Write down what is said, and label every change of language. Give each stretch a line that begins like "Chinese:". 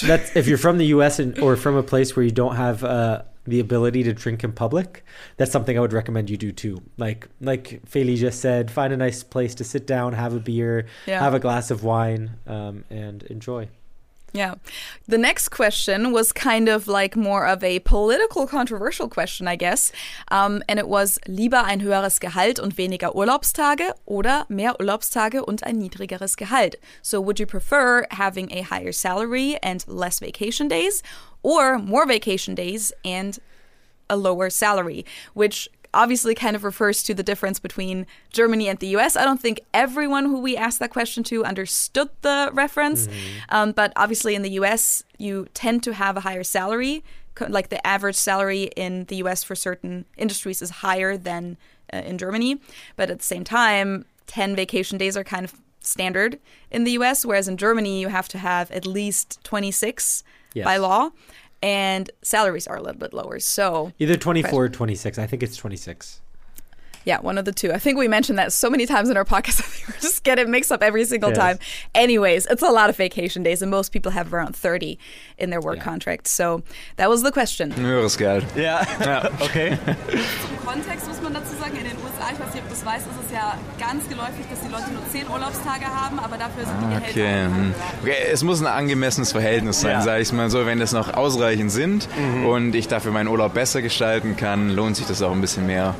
English: That's if you're from the US or from a place where you don't have the ability to drink in public, that's something I would recommend you do too. Like Feli just said, find a nice place to sit down, have a beer, have a glass of wine, and enjoy. Yeah. The next question was kind of like more of a political controversial question, I guess. And it was
German: lieber ein höheres Gehalt und weniger Urlaubstage oder mehr Urlaubstage und ein niedrigeres Gehalt.
English: So would you prefer having a higher salary and less vacation days or more vacation days and a lower salary? Which obviously kind of refers to the difference between Germany and the US. I don't think everyone who we asked that question to understood the reference. Mm-hmm. But obviously in the US, you tend to have a higher salary. Like the average salary in the US for certain industries is higher than in Germany. But at the same time, 10 vacation days are kind of standard in the US, whereas in Germany, you have to have at least 26 yes. by law. And salaries are a little bit lower. So either 24 or 26. I think it's 26. Yeah, one of the two. I think we mentioned that so many times in our podcast. I think we just get it mixed up every single yes. time. Anyways, it's a lot of vacation days. And most people have around 30 in their work yeah. contract. So that was the question.
German: Höheres Geld.
English: Yeah. Okay.
German: Zum Kontext muss man dazu sagen, in den USA, ich weiß nicht, ob du es weißt, ist es ja ganz geläufig, dass die Leute nur 10 Urlaubstage haben, aber dafür sind die Gehälter. Okay. Es muss ein angemessenes Verhältnis sein, ja. sage ich mal so. Wenn es noch ausreichend sind mhm. und ich dafür meinen Urlaub besser gestalten kann, lohnt sich das auch ein bisschen mehr.